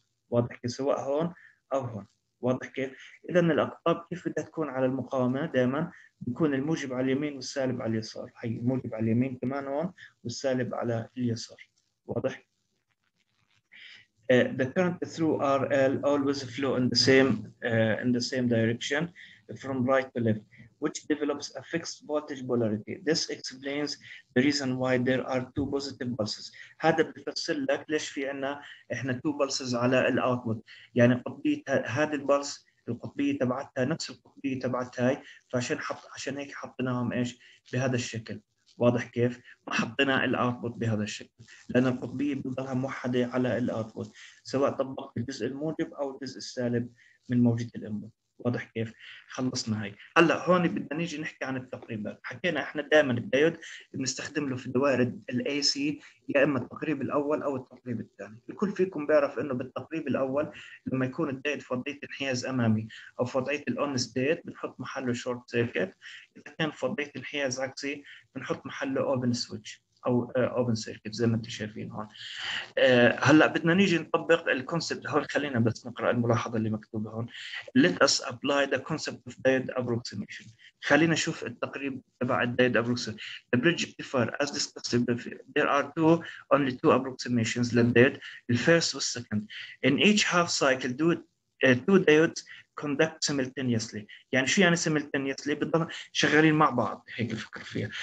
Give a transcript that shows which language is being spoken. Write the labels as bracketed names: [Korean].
[Arabic] واضح كيف سواء هون او هون، واضح كيف؟ اذا الاقطاب كيف بدها تكون على المقاومه؟ دائما بيكون الموجب على اليمين والسالب على اليسار، هي الموجب على اليمين كمان هون والسالب على اليسار، واضح؟ [English] the current through RL always flow in the same direction from right to left, which develops a fixed voltage polarity. This explains the reason why there are two positive pulses. [Arabic] هذا بفسر لك ليش في عنا احنا two pulses على ال output. يعني قطبية هذا البلس القطبية تبعتها نفس القطبية تبعت هاي، فعشان حط عشان هيك حطيناهم ايش بهذا الشكل. واضح كيف؟ ما حطينا الاوتبوت بهذا الشكل، لان القطبيه بتضلها موحده على الاوتبوت، سواء طبقت الجزء الموجب او الجزء السالب من موجه الانبوت، واضح كيف؟ خلصنا هاي، هلا هون بدنا نيجي نحكي عن التقريبات، حكينا احنا دائما الدايود بنستخدم له في دوائر الاي سي يا اما التقريب الاول او التقريب الثاني، الكل فيكم بيعرف انه بالتقريب الاول لما يكون الدايود في وضعيه انحياز امامي او في وضعيه الاون ستيت بنحط محله شورت سيركت، اذا كان في وضعيه انحياز عكسي بنحط محله اوبن سويتش او اوبن سيركت زي ما انتم شايفين هون. هلا بدنا نيجي نطبق الكونسبت هون، خلينا بس نقرا الملاحظه اللي مكتوبه هون. [English] Let us apply the concept of diode approximation. [Arabic] خلينا نشوف التقريب تبع الدايد ابروكسيميشن. [English] The bridge rectifier as discussed before. There are two, only two approximations [Arabic] للدايد. [English] The first was second. In each half cycle, two diodes conduct simultaneously. [Arabic] يعني شو يعني [English] simultaneously؟ [Arabic] بتضل شغالين مع بعض، هيك الفكر فيها.